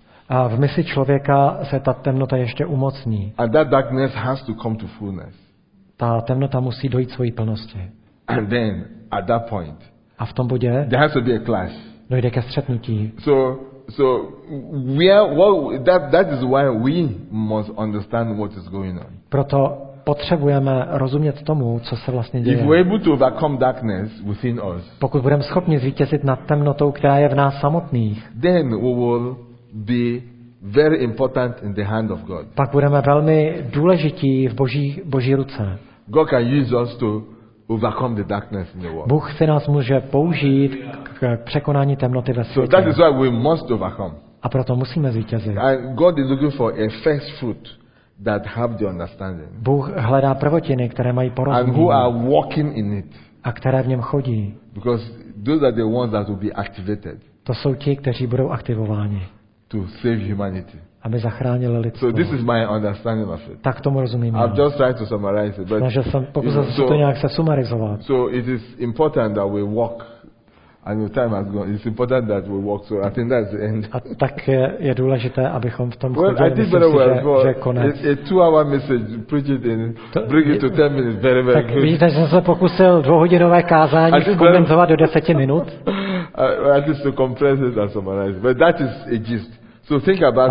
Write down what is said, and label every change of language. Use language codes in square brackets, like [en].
[cs] A v mysli člověka se ta temnota ještě umocní. [en] And that darkness has to come to fullness. [cs] Ta temnota musí dojít svojí plnosti. [en] And then, at that point, [cs] a v tom bodě [en] there has to be a clash. [cs] Dojde ke střetnutí. [en] So we are, well, that is why we must understand what is going on. [cs] Proto potřebujeme rozumět tomu, co se vlastně děje. [en] If we're able to overcome darkness within us, [cs] pokud budeme schopni zvítězit nad temnotou, která je v nás samotných, [en] then we will be very important in the hand of God. [cs] Pak budeme velmi důležití v boží ruce. [en] God can use us to overcome the darkness in the world. [cs] Bůh se nás může použít k překonání temnoty ve světě. [en] So that is why we must overcome. [cs] A proto musíme zvítězit. [en] And God is looking for a first fruit that have the understanding. [cs] Bůh hledá prvotiny, které mají porozumění. [en] And who are walking in it. [cs] A které v něm chodí. [en] Because those are the ones that will be activated. [cs] To jsou ti, kteří budou aktivováni. [en] To save humanity. [cs] Aby zachránili lidstvo. [en] So this is my understanding of it. [cs] Tak tomu rozumím. [en] I've just tried to summarize it, but [cs] snažil jsem to nějak se sumarizovat. [en] So it is important that we walk, and your time has gone. It's important that we walk. So I think that's the end. [cs] A tak je důležité, abychom v tom chodili. [en] Well, I did very well. [cs] Že konec. [en] A 2-hour message, preach it in, bring it to 10 minutes, very, very good. [cs] Tak vidíte, že jsem se pokusil dvouhodinové kázání zkondenzovat do 10 minut. [en] At least to compress it and summarize. But that is a gist. So think about